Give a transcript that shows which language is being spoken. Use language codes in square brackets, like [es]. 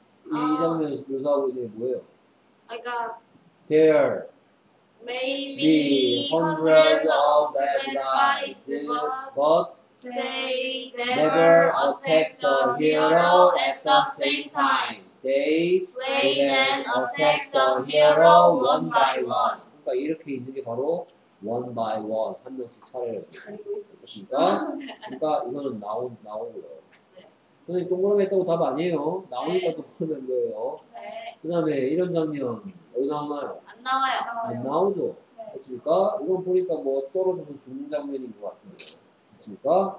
[ko] 이 장면에서 묘사하고 있는 게 뭐예요? [en] I got there. Maybe hundreds of bad guys, but they never attack the hero at the same time. They then attack the hero one by one. [ko] 그러니까 이렇게 있는 게 바로 [en] one by one [ko] 한 명씩 차례를 알고 있습니다. 그러니까 이거는 나오고요. 선생님 동그라미 했다고 답 아니에요. 나오니까 또 쓰는 거예요. 네. 그 다음에 이런 장면 어디 나오나요? 안 나와요. 안 나오죠. 네. 그렇습니까? 이건 보니까 뭐 떨어져서 죽는 장면인 것 같은데. 그렇습니까?